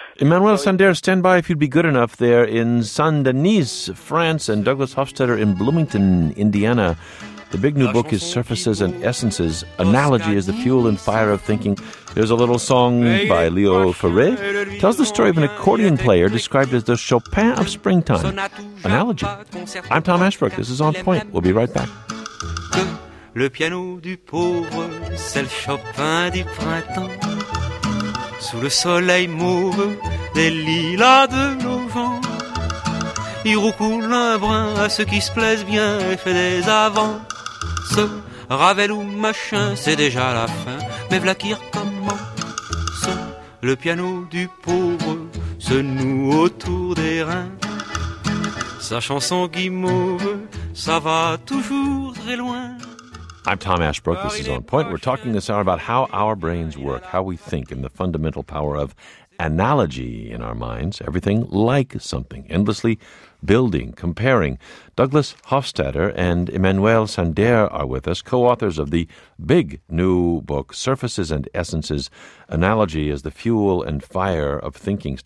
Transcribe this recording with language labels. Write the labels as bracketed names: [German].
[English] Emmanuel Sander, stand by if you'd be good enough there in Saint-Denis, France, and Douglas Hofstetter in Bloomington, Indiana. The big new book is Surfaces and Essences. Analogy is the fuel and fire of thinking. There's a little song by Leo Ferré. Tells the story of an accordion player described as the Chopin of springtime. Analogy. I'm Tom Ashbrook. This is On Point. We'll be right back. [French] Le piano du pauvre, c'est le Chopin du printemps. Sous le soleil mauve, des lilas de novembre. Il roucoule un brin à ceux qui se plaisent bien et fait des avances. Ce Ravel ou machin, c'est déjà la fin, mais v'là qui recommence. Le piano du pauvre se noue autour des reins. Sa chanson guimauve, ça va toujours très loin. [English] I'm Tom Ashbrook. This is On Point. We're talking this hour about how our brains work, how we think, and the fundamental power of analogy in our minds, everything like something, endlessly building, comparing. Douglas Hofstetter and Emmanuel Sander are with us, co-authors of the big new book, Surfaces and Essences, Analogy as the Fuel and Fire of Thinking.